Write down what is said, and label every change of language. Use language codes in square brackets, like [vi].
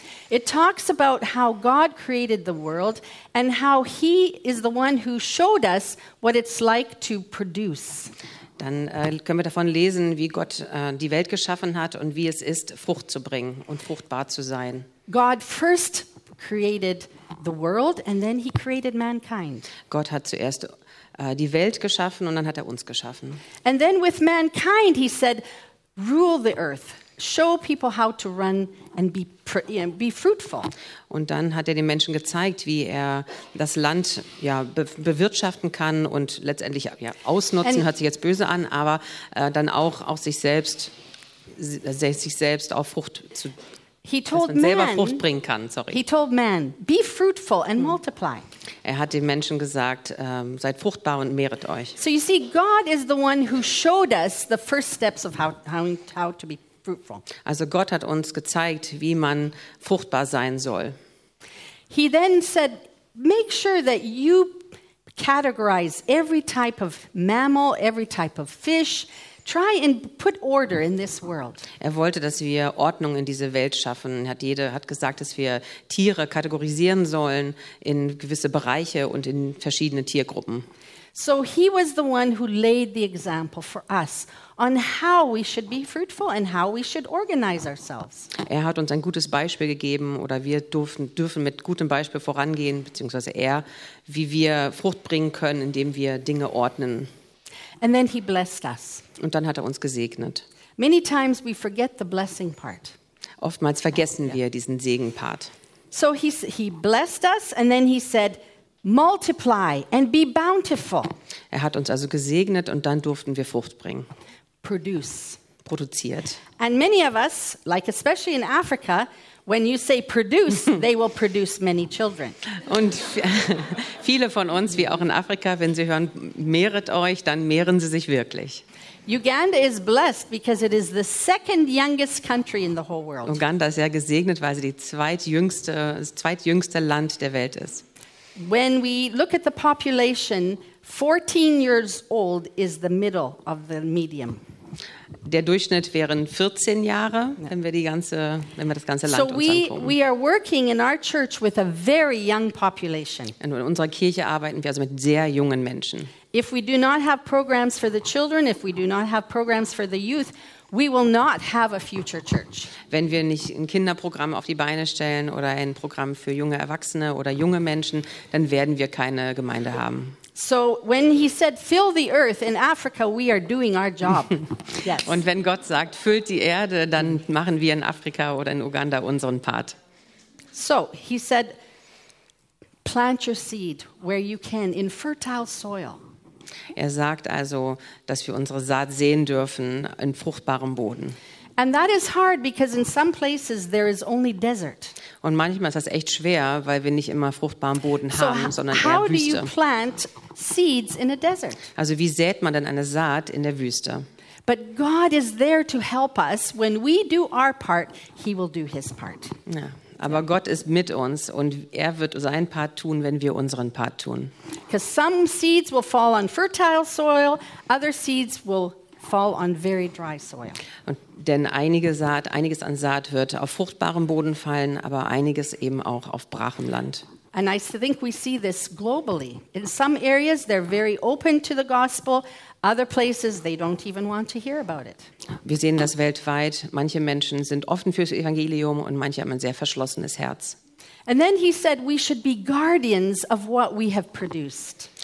[en] It talks about how God created the world and how he is the one who showed us what it's like to produce. [de] Dann können wir davon lesen, wie Gott die Welt geschaffen hat und wie es ist, Frucht zu bringen und fruchtbar zu sein. [en] God first created the world and then he created mankind. [de] Gott hat zuerst die Welt geschaffen und dann hat er uns geschaffen. [en] And then with mankind he said, rule the earth. Show people how to run and be fruitful. [de] Und dann hat er den Menschen gezeigt, wie er das Land ja bewirtschaften kann und letztendlich ja ausnutzen. And hört sich jetzt böse an, aber dann auch sich selbst auf Frucht zu. [en] He told [de] dass man selber [en] man, [de] Frucht bringen kann. Sorry. [en] He told man, be fruitful and multiply. [de] Er hat den Menschen gesagt, seid fruchtbar und mehret euch. [en] So you see, God is the one who showed us the first steps of how to be. [de] Also Gott hat uns gezeigt, wie man fruchtbar sein soll. [en] He then said, make sure that you categorize every type of mammal, every type of fish. Try and put order in this world. [de] Er wollte, dass wir Ordnung in diese Welt schaffen. Hat gesagt, dass wir Tiere kategorisieren sollen in gewisse Bereiche und in verschiedene Tiergruppen. [en] So he was the one who laid the example for us on how we should be fruitful and how we should organize ourselves. [de] Er hat uns ein gutes Beispiel gegeben oder wir dürfen mit gutem Beispiel vorangehen, beziehungsweise er, wie wir Frucht bringen können, indem wir Dinge ordnen. [en] And then he blessed us. [de] Und dann hat er uns gesegnet. [en] Many times we forget the blessing part. [de] Oftmals vergessen wir diesen Segen-Part. [en] So he blessed us and then he said, multiply and be bountiful. [de] Er hat uns also gesegnet und dann durften wir Frucht bringen. [en] Produce. [de] Produziert. [en] And many of us, like especially in Africa, when you say produce, they will produce many children. [de] Und viele von uns, wie auch in Afrika, wenn sie hören, mehret euch, dann mehren sie sich wirklich. [en] Uganda is blessed because it is the second youngest country in the whole world. [de] Uganda ist sehr gesegnet, weil sie das zweitjüngste Land der Welt ist. [en] When we look at the population, 14 years old is the middle of the median. [de] Der Durchschnitt wären 14 Jahre, wenn wir das ganze Land anschauen. [en] We are working in our church with a very young population. [de] In unserer Kirche arbeiten wir also mit sehr jungen Menschen. [en] If we do not have programs for the children, if we do not have programs for the youth, we will not have a future church. [de] Wenn wir nicht ein Kinderprogramm auf die Beine stellen oder ein Programm für junge Erwachsene oder junge Menschen, dann werden wir keine Gemeinde haben. [en] So when he said fill the earth in Africa, we are doing our job. Yes. [de] Und wenn Gott sagt, füllt die Erde, dann machen wir in Afrika oder in Uganda unseren Part. [en] So he said, plant your seed where you can in fertile soil. [de] Er sagt also, dass wir unsere Saat sehen dürfen in fruchtbarem Boden. [en] And that is hard because in some places there is only desert. [de] Und manchmal ist das echt schwer, weil wir nicht immer fruchtbaren Boden haben, sondern eher Wüste. [en] How do you plant seeds in a desert? [de] Also wie sät man denn eine Saat in der Wüste? [en] But God is there to help us. When we do our part, he will do his part. [de] Ja. Aber Gott ist mit uns und er wird seinen Part tun, wenn wir unseren Part tun. [en] Because some seeds will fall on fertile soil, other seeds will fall on very dry soil. [de] Und denn einiges an Saat wird auf fruchtbarem Boden fallen, aber einiges eben auch auf brachem Land. [en] And I think we see this globally. In some areas they're very open to the gospel. Other places they don't even want to hear about it. [de] Wir sehen das weltweit. Manche Menschen sind offen fürs Evangelium und manche haben ein sehr verschlossenes Herz. [en] And then he said we should be guardians of what we have produced.